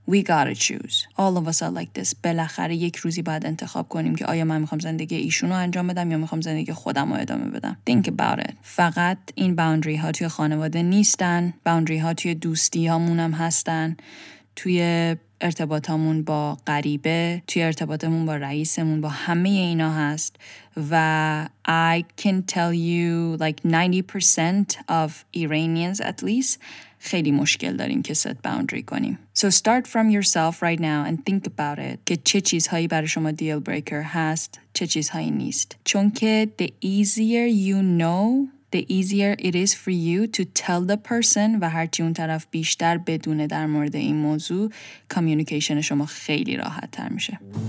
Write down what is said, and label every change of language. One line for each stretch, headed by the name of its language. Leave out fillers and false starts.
English: we gotta choose all of us are like this
Persian: بالاخره یک روزی باید انتخاب کنیم که آیا من میخوام زندگی ایشونو انجام بدم یا میخوام زندگی خودم رو ادامه بدم
English: think about it
Persian: فقط این باوندری ها توی خانواده نیستن باوندری ها توی دوستی هامون هم هستن توی ارتباطمون با غریبه توی ارتباطمون با رئیسمون با همه اینا هست و
English: I can tell you like 90% of Iranians at least
Persian: خیلی مشکل داریم که set boundary کنیم.
English: So start from yourself right now and think about it.
Persian: که چه چیزهایی برای شما
English: deal breaker
Persian: هست، چه چیزهایی نیست. چون که
English: the easier you know, the easier it is for you to tell the person
Persian: و هرچی اون طرف بیشتر بدونه در مورد این موضوع، communication شما خیلی راحت تر میشه.